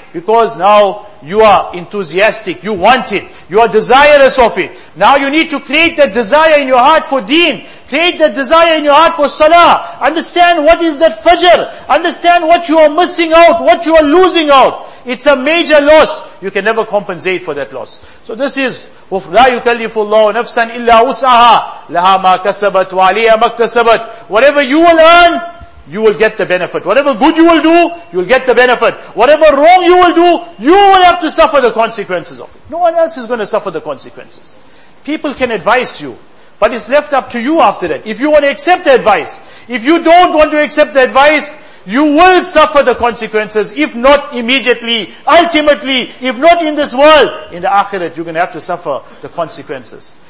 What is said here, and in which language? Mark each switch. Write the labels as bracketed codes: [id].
[en] Because now you are enthusiastic. You want it. You are desirous of it. Now you need to create that desire in your heart for deen. Create that desire in your heart for salah. Understand what is that fajr. Understand what you are missing out, what you are losing out. It's a major loss. You can never compensate for that loss. So this is, [ar] لَا يُكَلِّفُ اللَّهُ نَفْسًا إِلَّا وُسْعَهَا لَهَا مَا كَسَبَتْ وَعَلِيهَا مَا اكْتَسَبَتْ. [en] Whatever you will earn, you will get the benefit. Whatever good you will do, you will get the benefit. Whatever wrong you will do, you will have to suffer the consequences of it. No one else is going to suffer the consequences. People can advise you, but it's left up to you after that. If you want to accept the advice, if you don't want to accept the advice, you will suffer the consequences, if not immediately, ultimately, if not in this world, in the akhirat, you're going to have to suffer the consequences.